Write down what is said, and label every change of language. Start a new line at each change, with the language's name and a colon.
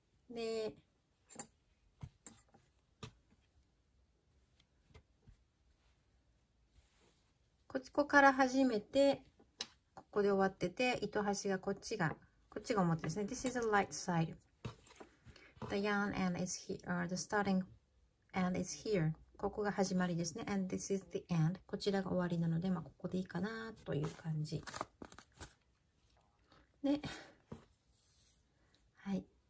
Japanese: で、こっちから始めて、ここで終わってて、糸端がこっちが、こっちが表ですね。
English: This is a light side. The yarn and is here, the starting and is here.
Japanese: ここが始まりですね。
English: And this is the end.
Japanese: こちらが終わりなので、まあ、ここでいいかなという感じ。で、はい。